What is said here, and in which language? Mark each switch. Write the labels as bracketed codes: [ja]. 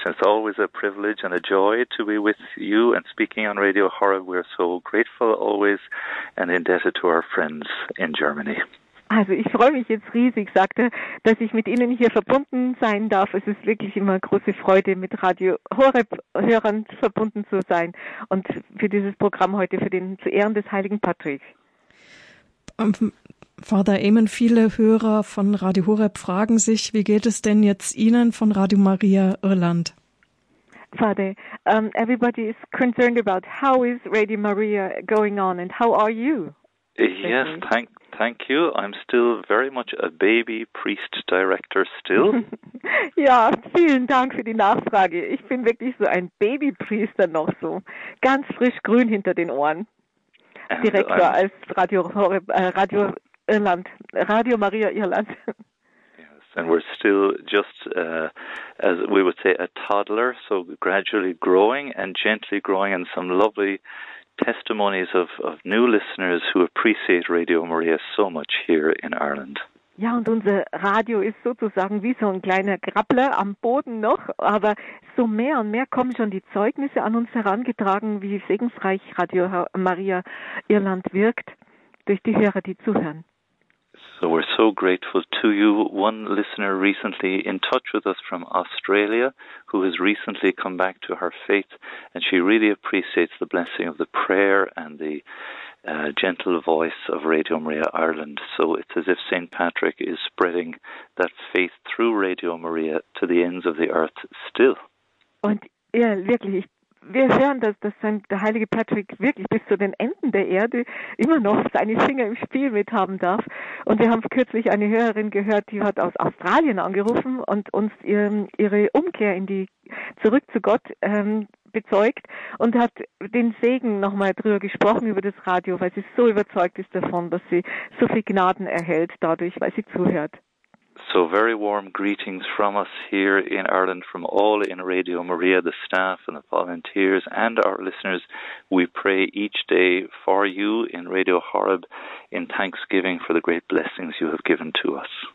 [en] It's always a privilege and a joy to be with you and speaking on Radio Horeb. We are so grateful always and indebted to our friends in Germany. [de] Also ich freue mich jetzt riesig, sagte, dass ich mit Ihnen hier verbunden sein darf. Es ist wirklich immer große Freude, mit Radio Horeb-Hörern verbunden zu sein und für dieses Programm heute zu Ehren des heiligen Patrick. Father Eamon, viele Hörer von Radio Horeb fragen sich, wie geht es denn jetzt Ihnen von Radio Maria Irland? [en] Father, everybody is concerned about how is Radio Maria going on and how are you? Yes, thank you. I'm still very much a baby priest director still. [de] Ja, vielen Dank für die Nachfrage. Ich bin wirklich so ein Babypriester noch so. Ganz frisch grün hinter den Ohren. Direktor als Radio Irland, Radio Maria Irland. [en] Yes, and we're still just, as we would say, a toddler, so gradually growing and gently growing and some lovely testimonies of new listeners who appreciate Radio Maria so much here in Ireland. [de] Ja, und unser Radio ist sozusagen wie so ein kleiner Grappler am Boden noch, aber so mehr und mehr kommen schon die Zeugnisse an uns herangetragen, wie segensreich Radio Maria Irland wirkt durch die Hörer, die zuhören. [en] So we're so grateful to you. One listener recently in touch with us from Australia, who has recently come back to her faith, and she really appreciates the blessing of the prayer and the gentle voice of Radio Maria Ireland. So it's as if St. Patrick is spreading that faith through Radio Maria to the ends of the earth still. [de] Und ja, wirklich. Wir hören, dass der heilige Patrick wirklich bis zu den Enden der Erde immer noch seine Finger im Spiel mithaben darf. Und wir haben kürzlich eine Hörerin gehört, die hat aus Australien angerufen und uns ihre Umkehr zurück zu Gott bezeugt und hat den Segen nochmal drüber gesprochen über das Radio, weil sie so überzeugt ist davon, dass sie so viel Gnaden erhält dadurch, weil sie zuhört. [en] So very warm greetings from us here in Ireland, from all in Radio Maria, the staff and the volunteers and our listeners. We pray each day for you in Radio Horeb in thanksgiving for the great blessings you have given to us.